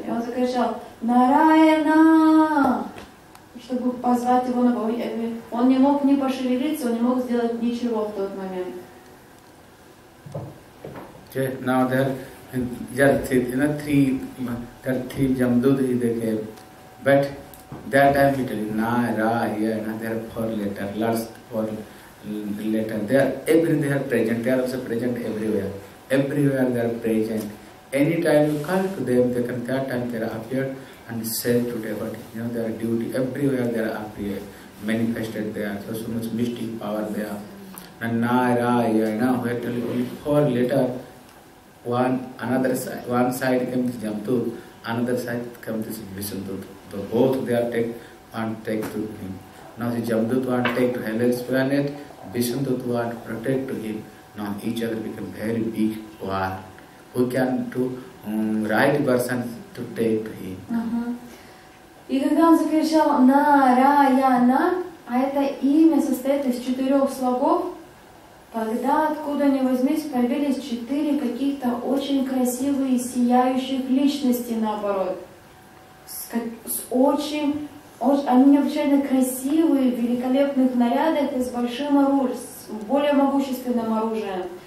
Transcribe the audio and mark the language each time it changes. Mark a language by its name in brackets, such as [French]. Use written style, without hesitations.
[Russian] И он закричал: «Нарайна!» Чтобы позвать его на помощь. Он не мог ни пошевелиться, он не мог сделать ничего в тот момент. [English] That time he told Narayana, there are 4 letters, last 4 related. They are present. They are also present everywhere. Everywhere they are present. Any time you call to them, they can, that time they are appeared and said to devotee. You know, their duty, everywhere they are appeared, manifested there. So, so much mystic power they are. And Narayana, we are telling you, four letter, one side comes Jamdut, another side comes Vishnudut. So, both they are take, one take to him. Now, the Jamdut one take to hellish planet, Vishnudut one protect to him. Now, each other become very weak, war. Who can to right person to take him? [Ukrainian] І тоді він закричав Нараяна, а це ім'я состоїть із чотирьох слогов. [Russian] Тогда откуда не возьмись, появились чотири каких-то очень красивые сияющих личности наоборот. Они необычайно красивые, в великолепных нарядах и с большим оружием, с более могущественным оружием.